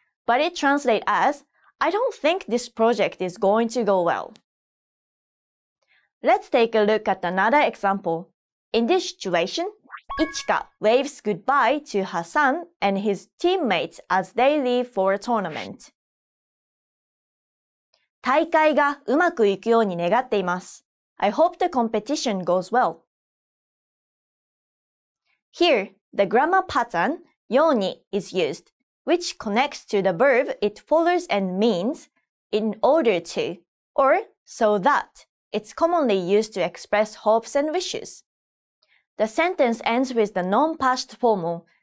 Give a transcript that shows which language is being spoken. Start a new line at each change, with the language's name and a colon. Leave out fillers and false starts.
English: But it translates as I don't think this project is going to go well. Let's take a look at another example. In this situation, Ichika waves goodbye to her son and his teammates as they leave for a tournament.
Japanese: 大会がうまくいくように願っています。
English: I hope the competition goes well. Here, the grammar pattern, ように is used, which connects to the verb it follows and means in order to, or so that. It's commonly used to express hopes and wishes. The sentence ends with the non-past formal,